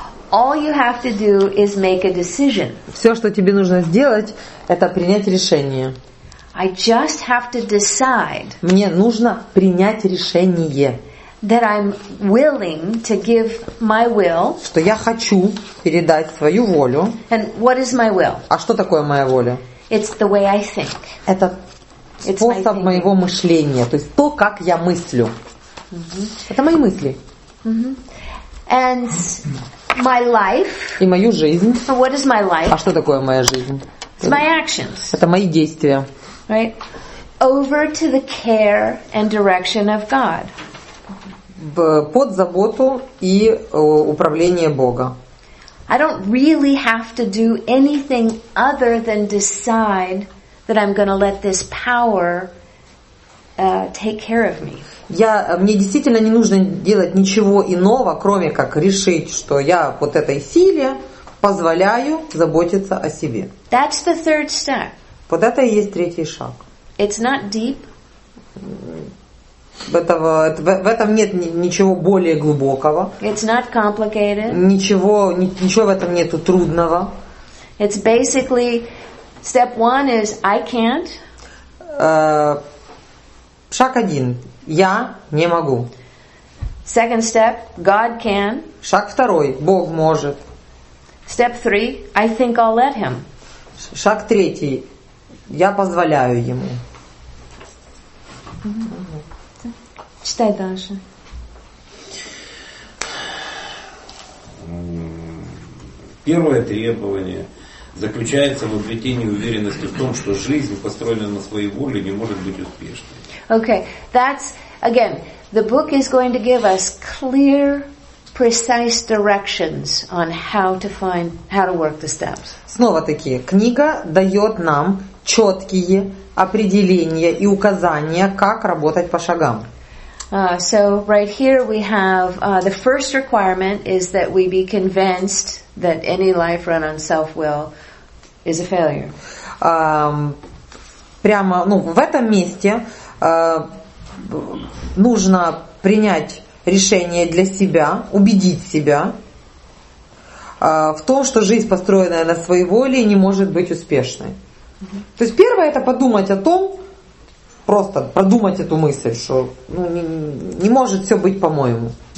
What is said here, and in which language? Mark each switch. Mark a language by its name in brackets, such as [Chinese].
[English] All you have to do is make a decision. [Russian] Все, что тебе нужно сделать, это принять решение. [English] I just have to decide. [Russian] Мне нужно принять решение. [English] That I'm willing to give my will. [Russian] Что я хочу передать свою волю. [English] And what is my will? [Russian] А что такое моя воля? [English] It's the way I think. [Russian] Это способ моего мышления, то есть то, как я мыслю. Это мои мысли. [English] And my life. [Russian] И мою жизнь. [English] So what is my life? [Russian] А что такое моя жизнь? [English] It's my actions. [Russian] Это мои действия. [English] Right? Over to the care and direction of God. [Russian] Под заботу и управление Бога. [English] I don't really have to do anything other than decide that I'm going to let this power take care of me. [Russian] Мне действительно не нужно делать ничего иного, кроме как решить, что я вот этой силе позволяю заботиться о себе. [English] That's the third step. [Russian] Вот это и есть третий шаг. [English] It's not deep. [Russian] В этом нет ничего более глубокого. [English] It's not complicated. [Russian] Ничего в этом нету трудного. [English] It's basically step one is I can't. [Russian] Шаг один. Я не могу. [English] Second step, God can. [Russian] Шаг второй. Бог может. [English] Step three, I think I'll let him. [Russian] Шаг третий. Я позволяю ему. Читай дальше. Первое требование заключается в обретении уверенности в том, что жизнь, построенная на своей воле, не может быть успешной. [English] Okay, that's again. The book is going to give us clear, precise directions on how to work the steps. [Russian] Снова-таки, книга дает нам четкие определения и указания, как работать по шагам. [English] So right here we have the first requirement is that we be convinced that any life run on self-will is a failure. [Russian] Прямо, ну, в этом месте нужно принять решение для себя, убедить себя в том, что жизнь, построенная на своей воле, не может быть успешной. То есть первое это подумать о том, просто продумать эту мысль, что не может все быть по-моему.